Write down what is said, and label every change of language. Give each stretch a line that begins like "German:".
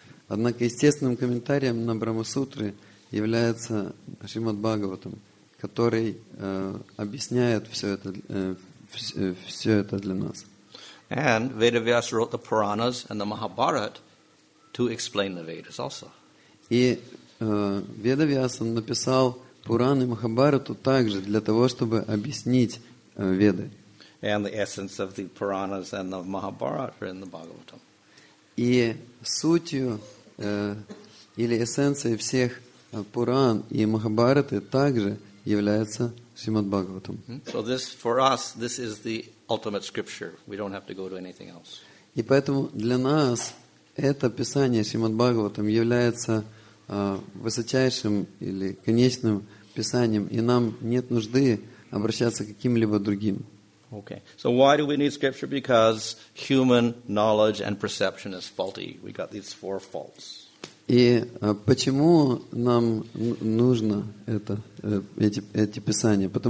Russian: Однако естественным комментарием на Брахма-сутры является Шримад-Бхагаватам, который объясняет все это для нас.
English: And Vedavyas wrote the Puranas and the Mahabharat to explain the Vedas also.
Russian: И Ведавьяс написал Пураны и Махабхарату также для того, чтобы объяснить Веды.
English: And the essence of the Puranas and the Mahabharat are in the Bhagavatam.
Russian: И сутью или эссенцией всех Пуран и Махабхараты также является Шримад-Бхагаватам.
English: So this, for us, this is the ultimate scripture. We don't have to go to anything else.
Russian: И поэтому для нас это писание Шримад-Бхагаватам является высочайшим или конечным писанием, и нам нет нужды обращаться к каким-либо другим.
English: Okay. So why do we need scripture? Because human knowledge and perception is faulty. We got these four faults.
Russian: И почему нам нужно это, эти писания?